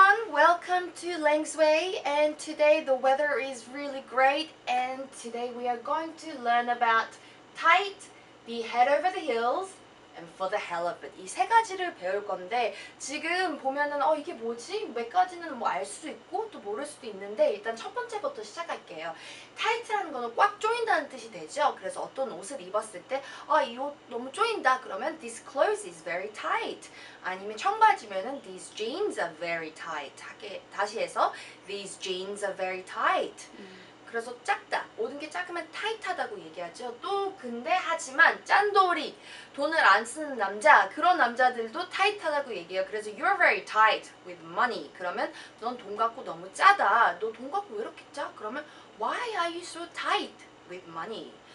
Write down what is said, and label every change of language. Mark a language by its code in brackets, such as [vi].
[en] Welcome to Langsway, and today the weather is really great, and today we are going to learn about tight, the head over the heels, and for the hell of it. [ko] 이 세 가지를 배울 건데 지금 보면은 이게 뭐지? 몇 가지는 뭐 알 수도 있고 또 모를 수도 있는데 일단 첫 번째부터 시작할게요. 타이트라는 거는 꽉 조인다는 뜻이 되죠. 그래서 어떤 옷을 입었을 때 이 옷 너무 조인다 그러면 [en] this clothes is very tight. [ko] 아니면 청바지면은 [en] these jeans are very tight. [ko] 다시 해서 [en] these jeans are very tight. [ko] 그래서 작다. 모든 게 작으면 타이트하다고 얘기하죠. 또 근데 하지만 짠돌이 돈을 안 쓰는 남자 그런 남자들도 타이트하다고 얘기해요. [en] 그래서 you're very tight with money. [ko] 그러면 넌 돈 갖고 너무 짜다. 너 돈 갖고 왜 이렇게 짜? 그러면 [en] why are you so tight with money?